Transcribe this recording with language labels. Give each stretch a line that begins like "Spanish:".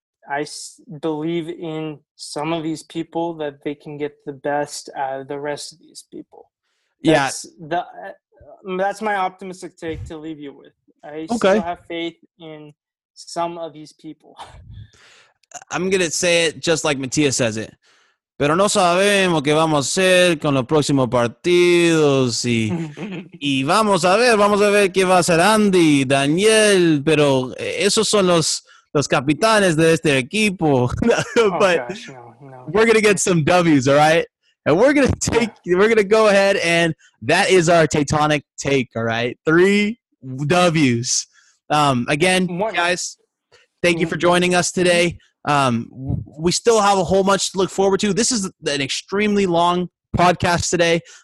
English: I believe in some of these people that they can get the best out of the rest of these people. That's my optimistic take to leave you with. I still have faith in some of these people. I'm going to say it just like Matias says it.
Spanish: Pero no sabemos qué vamos a hacer con los próximos partidos. Y vamos a ver qué va a hacer Andy, Daniel. Pero esos son los capitanes de este equipo.
English: But we're going to get some W's, all right? And we're going to go ahead, and that is our Tectonic Take, all right? Three W's. Again, guys, thank you for joining us today. We still have a whole bunch to look forward to. This is an extremely long podcast today.